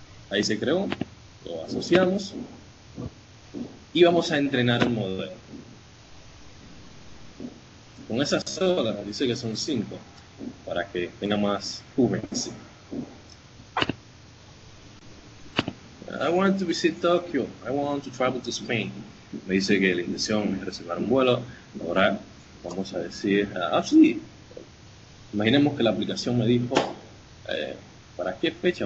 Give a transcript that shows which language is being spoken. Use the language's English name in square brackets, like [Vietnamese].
[Spanish] Ahí se creó, lo asociamos y vamos a entrenar un modelo. Con esas solas, dice que son 5, para que tenga más juventud. [English] I want to visit Tokyo, I want to travel to Spain. [Spanish] Me dice que la intención es reservar un vuelo. Ahora vamos a decir, ah, sí. Imaginemos que la aplicación me dijo, ¿para qué fecha?